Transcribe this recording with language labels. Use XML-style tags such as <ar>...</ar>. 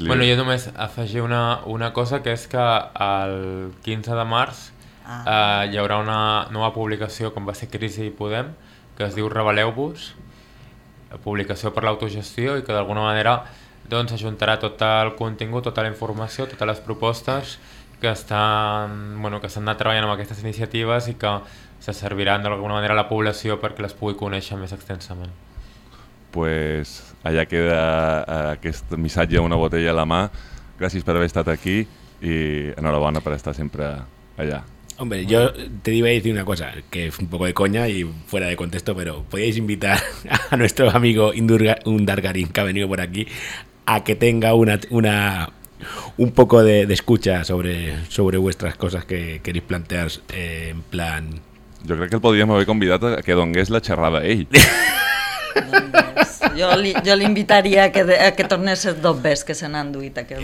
<ca>bueno, jo només afegir una cosa, que és que el 15 de març hi haurà una nova publicació, com va ser Crisi i Podem, que es diu Rebel·leu-vos, publicació per l'autogestió, i que d'alguna manera doncs ajuntarà tot el contingut, tota la informació, totes les propostes que estan, bueno, que s'han anat treballant amb aquestes iniciatives i que se serviran d'alguna manera a la població perquè les pugui conèixer més extensament. Pues allà queda aquest missatge, una botella a la mà. Gràcies per haver estat aquí i enhorabona per estar sempre allà.</ca> <es>Hombre, bueno, yo te iba a decir una cosa, que es un poco de coña y fuera de contexto, pero podíais invitar a nuestro amigo Undargarín, que ha venido por aquí, a que tenga un poco de escucha sobre vuestras cosas que queréis plantear, en plan...</es> <ca>Jo crec que el podríem haver convidat a que donés la xerrada a ell. Jo l'invitaria a que tornés els dos bes que se n'han duit aquest</ca>